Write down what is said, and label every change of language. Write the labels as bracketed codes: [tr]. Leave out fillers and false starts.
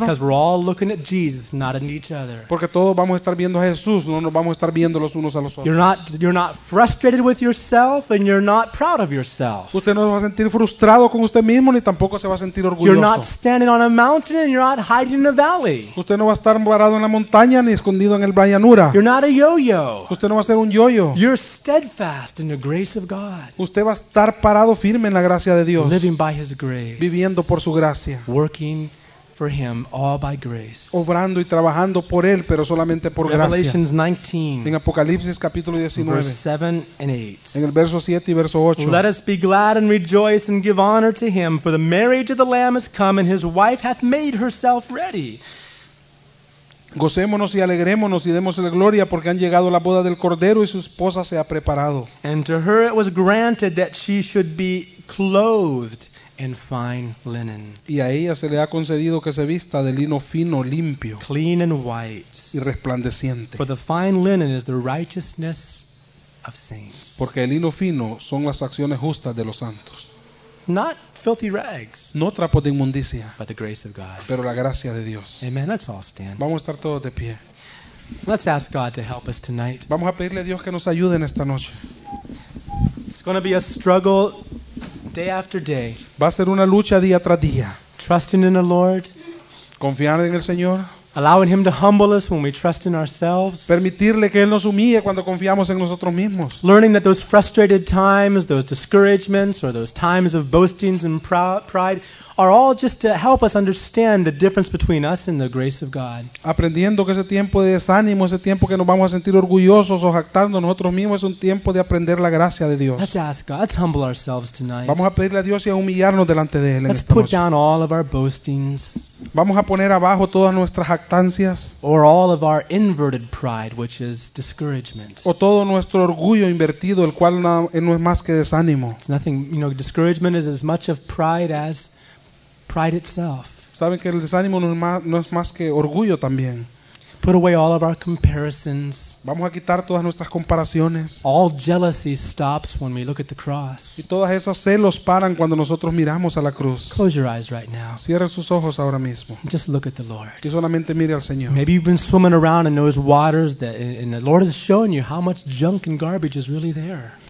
[en] Because we're all looking at Jesus, not at each other. [es] Porque todos vamos a estar viendo a Jesús, no nos vamos a estar viendo los unos a los otros. [en] You're not frustrated with yourself and you're not proud of yourself. [es] Usted no va a sentir frustrado con usted mismo ni tampoco se va a sentir orgulloso. [en] You're not standing on a mountain and you're not hiding in a valley. [es] Usted no va a estar parado en la montaña ni escondido en el valle llanura. [en] You're not a yo-yo. [es] Usted no va a ser un yo-yo. [en] You're steadfast in the grace of God. [es] Usted va a estar parado firme en la gracia de Dios. [en] Living by His grace. [es] Viviendo por su gracia. [en] Working for Him all by grace. [es] Obrando y trabajando por Él, pero solamente por gracia. [en] Revelations 19. [es] En Apocalipsis capítulo 19. [en] Verse 7 and 8. [es] En el verso 7 y verso 8. [en] Let us be glad and rejoice and give honor to Him, for the marriage of the Lamb has come and His wife hath made herself ready. [es] Gocémonos y alegrémonos y demos la gloria porque han llegado la boda del Cordero y su esposa se ha preparado. [en] And to her it was granted that she should be clothed in fine linen. [es] Y a ella se le ha concedido que se vista de lino fino, limpio. [en] Clean and white. [es] Y resplandeciente. [en] For the fine linen is the righteousness of saints. [es] Porque el lino fino son las acciones justas de los santos. [en] Not filthy rags. [es] No trapos de inmundicia. [en] But the grace of God. [es] Pero la gracia de Dios. [en] Amen. Let's all stand. [es] Vamos a estar todos de pie. [en] Let's ask God to help us tonight. [es] Vamos a pedirle a Dios que nos ayude en esta noche. [en] It's going to be a struggle day after day. [es] Va a ser una lucha día tras día. [en] Trusting in the Lord. [es] Confiar en el Señor. [en] Allowing Him to humble us when we trust in ourselves. [es] Permitirle que Él nos humille cuando confiamos en nosotros mismos. [en] Learning that those frustrated times, those discouragements, or those times of boastings and pride are all just to help us understand the difference between us and the grace of God. [es] Aprendiendo que ese tiempo de desánimo, ese tiempo que nos vamos a sentir orgullosos o jactando nosotros mismos, es un tiempo de aprender la gracia de Dios. [en] Let's ask God. Let's humble ourselves tonight. [es] Vamos a pedirle a Dios y a humillarnos delante de Él. [en] Let's put down all of our boastings. [es] Vamos a poner abajo todas nuestras jactancias. [en] Or all of our inverted pride, which is discouragement. [es] O todo nuestro orgullo invertido, el cual no es más que desánimo. [en] It's nothing, you know, discouragement is as much of pride as pride itself. [es] Saben que el desánimo no es más que orgullo también. [en] Put away all of our comparisons. [es] Vamos a quitar todas nuestras comparaciones. [en] All jealousy stops when we look at the cross. [es] Y todos esos celos paran cuando nosotros miramos a la cruz. [en] Close your eyes right now. [es] Cierra sus ojos ahora mismo. [en] Just look at the Lord. [es] Y solamente mire al Señor. [en] Maybe you've been swimming around in those waters that, and the Lord has shown you how much junk and garbage is really there.